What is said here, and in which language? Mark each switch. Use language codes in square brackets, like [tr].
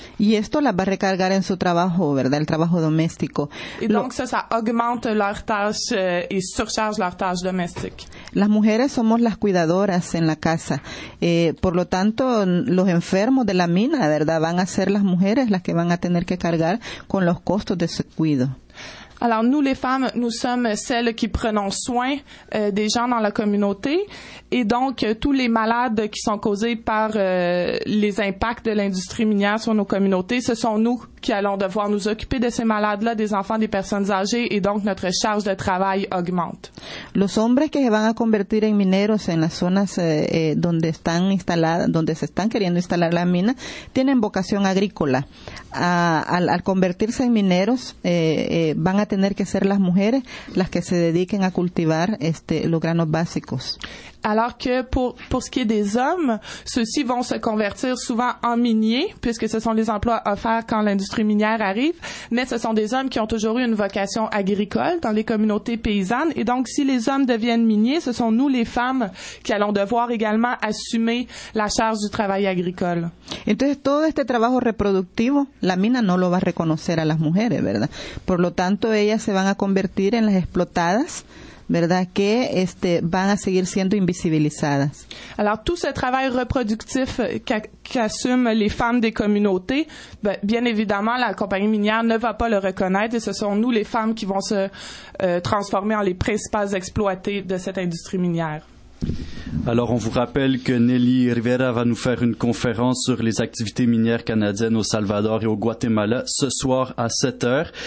[es] Y esto la va a recargar en su trabajo, ¿verdad? El trabajo doméstico. [fr] Y donc ça augmente leur tâche y surcharge leur tâche domestique. [es] Las mujeres somos las cuidadoras en la casa. Por lo tanto, los enfermos de la mina, ¿verdad? Van a ser las mujeres las que van a tener que cargar con los costos de ese cuidado. [fr] Alors, nous, les femmes, nous sommes celles qui prenons soin des gens dans la communauté. Et donc, tous les malades qui sont causés par les impacts de l'industrie minière sur nos communautés, ce sont nous qui allons devoir nous occuper de ces malades-là, des enfants, des personnes âgées. Et donc, notre charge de travail augmente. [es] Los hombres que se van a convertir en mineros en las zonas donde están instaladas, donde se están queriendo instalar la mina, tienen vocación agrícola. Al convertirse en mineros, van a tener que ser las mujeres las que se dediquen a cultivar los granos básicos. [fr] Alors que pour ce qui est des hommes, ceux-ci vont se convertir souvent en miniers, puisque ce sont les emplois offerts quand l'industrie minière arrive, mais ce sont des hommes qui ont toujours eu une vocation agricole dans les communautés paysannes. Et donc, si les hommes deviennent miniers, ce sont nous, les femmes, qui allons devoir également assumer la charge du travail agricole. [es] Entonces, todo este trabajo reproductivo, la mina no lo va a reconocer a las mujeres, ¿verdad? Por lo tanto, ellas se van a convertir en las explotadas, ¿verdad? Que este, van a seguir siendo invisibilizadas. [fr] Alors, tout ce travail reproductif qu'assument les femmes des communautés, ben, bien évidemment, la compagnie minière ne va pas le reconnaître et ce sont nous, les femmes, qui vont se transformer en les principales exploitées de cette industrie minière. Alors, on vous rappelle que Nelly Rivera va nous faire une conférence sur les activités minières canadiennes au Salvador et au Guatemala ce soir à 7h.